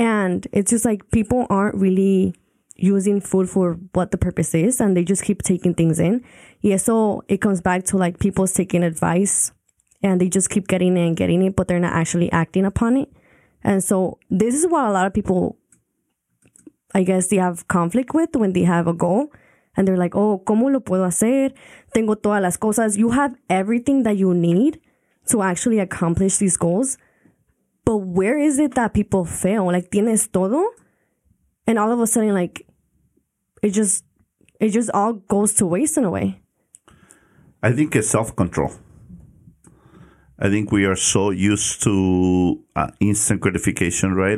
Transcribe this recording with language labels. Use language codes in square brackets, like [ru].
[en] And it's just like people aren't really using food for what the purpose is, and they just keep taking things in. [es] Y eso, [en] it comes back to like people's taking advice and they just keep getting it and getting it, but they're not actually acting upon it. And so this is what a lot of people, I guess, they have conflict with when they have a goal. And they're like, oh, [es] ¿cómo lo puedo hacer? Tengo todas las cosas. [en] You have everything that you need to actually accomplish these goals. But where is it that people fail? Like, [es] tienes todo. [en] And all of a sudden, like, it just all goes to waste in a way. I think it's self-control. I think we are so used to instant gratification, right?